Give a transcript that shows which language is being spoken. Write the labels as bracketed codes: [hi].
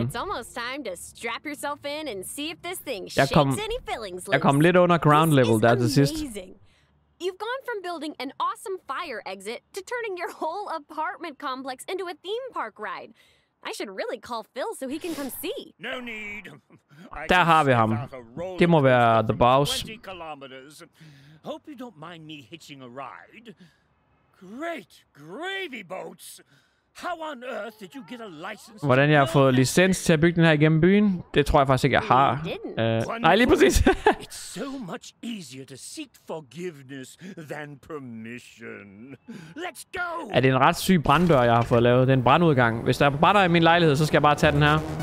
[en] It's almost time to strap yourself in and see if this thing shakes any fillings. [da] Jeg kom lidt under ground level der til sidst. [en] You've gone from building an awesome fire exit to turning your whole apartment complex into a theme park ride. I should really call Phil so he can come see. No need. [da] Der har vi ham. Det må være the boss. [en] Hope you don't mind me hitching a ride. Great gravy boats. How on earth did you get a license? [da] Hvordan jeg har fået licens til at bygge den her igennem byen? Det tror jeg faktisk ikke, jeg har. Nej, lige præcis. [en] It's so much easier to seek forgiveness than permission. Let's go! [da] Er det en ret syg branddør, jeg har fået lavet? Det er en brandudgang. Hvis der er brænder i min lejlighed, så skal jeg bare tage den her.